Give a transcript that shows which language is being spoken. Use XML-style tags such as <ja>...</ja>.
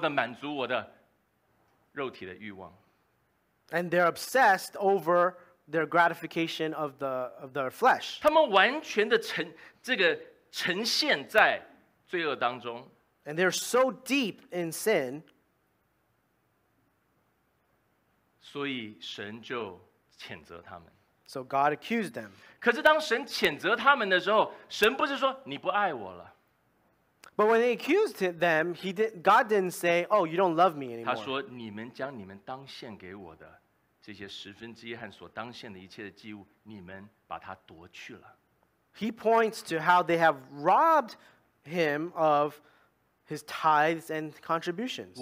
<zh>然后他们满脑子里面所想的就是怎么样能够更多的满足我的肉体的欲望。</zh> <en>And they're obsessed over their gratification of their flesh.</en> <zh>他们完全的呈现在罪恶当中。</zh> <en>And they're so deep in sin.</en> <zh>所以神就谴责他们。</zh> <en>So God accused them.</en> <zh>可是当神谴责他们的时候， 神不是说你不爱我了。</zh> <en>But when he accused them, God didn't say, oh, you don't love me anymore.</en> <zh>他说你们将你们当献给我的这些十分之一和所当献的一切的祭物， 你们把它夺去了。</zh> <en>He points to how they have robbed him of his tithes and contributions.</en>